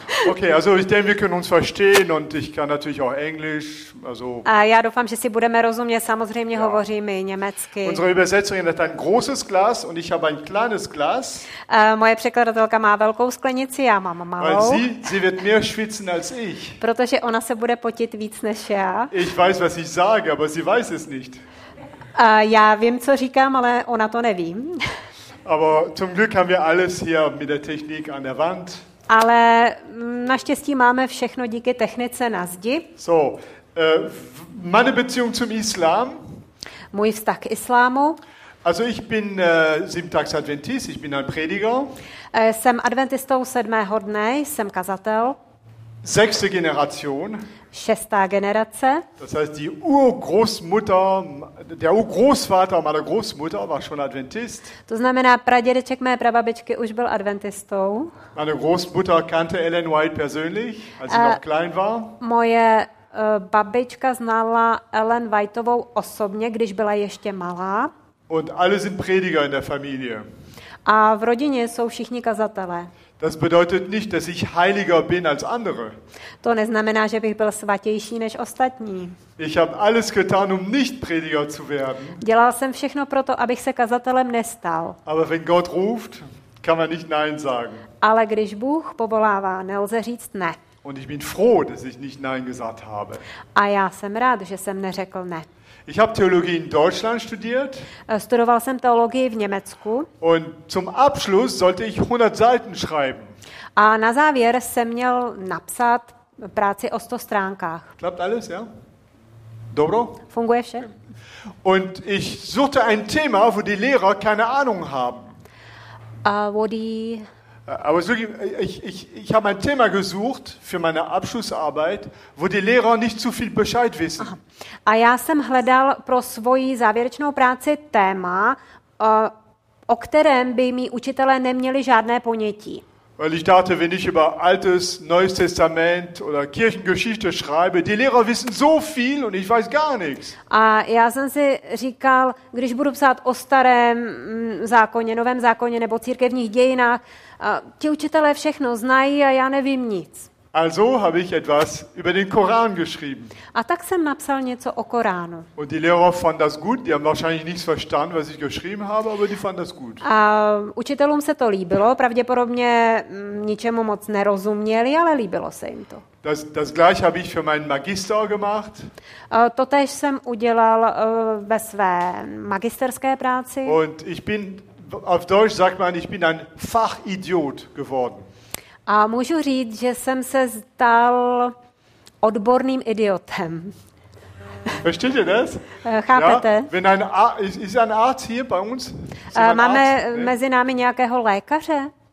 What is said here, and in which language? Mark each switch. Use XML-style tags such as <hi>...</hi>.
<de>Okay, also ich denke, wir können uns verstehen und ich kann natürlich auch Englisch, also.</de> <cs>A já doufám, že si budeme rozumět, samozřejmě hovoříme německy.</cs> <de>Unsere Übersetzerin hat ein großes Glas und ich habe ein kleines Glas.</de> <cs>Moje překladatelka má velkou sklenici, já mám malou.</cs> <de>Sie wird mehr schwitzen als ich.</de> <cs>Protože ona se bude potit víc než já.</cs> <de>Ich weiß, was ich sage, aber sie weiß es nicht.</de> <cs>Já vím, co říkám, ale ona to neví.</cs> <de>Aber zum Glück haben wir alles hier mit der Technik an der Wand.</de> <cs>Ale naštěstí máme všechno díky technice na zdi.</cs> <de>So, meine Beziehung zum Islam.</de> <cs>Můj vztah k islámu.</cs> <de>Also ich bin siebentags Adventist, ich bin ein Prediger.</de> <cs>Jsem adventistou sedmého dne, jsem kazatel.</cs> <de>Sechste Generation.</de> <cs>Šestá generace.</cs> <de>Das heißt, die Urgroßmutter, der Urgroßvater meiner Großmutter war schon Adventist.</de> <cs>To znamená, pradědeček mé prababičky už byl adventistou.</cs> <de>Meine Großmutter kannte Ellen White persönlich, als sie noch klein war.</de> <cs>Moje babička znala Ellen Whiteovou osobně, když byla ještě malá.</cs> <de>Und alle sind Prediger in der Familie.</de> <cs>A v rodině jsou všichni kazatelé.</cs> <de>Das bedeutet nicht, dass ich heiliger bin als andere.</de> <cs>To neznamená, že bych byl svatější než ostatní.</cs> <de>Ich habe alles getan, um nicht Prediger zu werden.</de> <cs>Dělal jsem všechno proto, abych se kazatelem nestal.</cs> <de>Aber wenn Gott ruft, kann man nicht nein sagen.</de> <cs>Ale když Bůh povolává, nelze říct ne.</cs> <de>Und ich bin froh, dass ich nicht nein gesagt habe.</de> <cs>A já jsem rád, že jsem neřekl ne.</cs> <de>Ich habe Theologie in Deutschland studiert.</de> <cs>Studoval jsem teologii v Německu.</cs> <de>Und zum Abschluss sollte ich 100 Seiten schreiben.</de> <cs>A na závěr jsem měl napsat práci o 100 stránkách.</cs> <de>Klappt alles, ja? Dobro?</de> <cs>Funguje vše?</cs> <de>Und ich suchte ein Thema, wo die Lehrer keine Ahnung haben. Aber ich habe ein Thema gesucht für meine Abschlussarbeit, wo die Lehrer nicht zu viel Bescheid wissen.</de> <cs>A já jsem hledal pro svoji závěrečnou práci téma, o kterém by mi učitelé neměli žádné ponětí.</cs> <de>Weil ich dachte, wenn ich über altes, neues Testament oder Kirchengeschichte schreibe, die Lehrer wissen so viel und ich weiß gar nichts.</de> <cs>A já jsem si říkal, když budu psát o starém zákoně, novém zákoně nebo církevních dějinách, ti učitelé všechno znají a já nevím nic.</cs> <de>Also habe ich etwas über den Koran geschrieben.</de> <cs>A tak jsem napsal něco o Koránu.</cs> <de>Und die Lehrer fanden das gut, die haben wahrscheinlich nichts verstanden, was ich geschrieben habe, aber die fanden das gut.</de> <cs>A učitelům se to líbilo, pravděpodobně ničemu moc nerozuměli, ale líbilo se jim to.</cs> <de>Das gleiche habe ich für meinen Magister gemacht.</de> <cs>Totéž jsem udělal ve své magisterské práci.</cs> <de>Und ich bin, auf Deutsch sagt man, ich bin ein Fachidiot geworden.</de> <cs>A můžu říct, že jsem se stal odborným idiotem.</cs> <de>Verstehst du das?</de> <cs>Chápete?</cs> <de>Ja, wenn ein ist ein Arzt hier bei uns?</de> <cs>Máme mezi námi nějakého lékaře?</cs>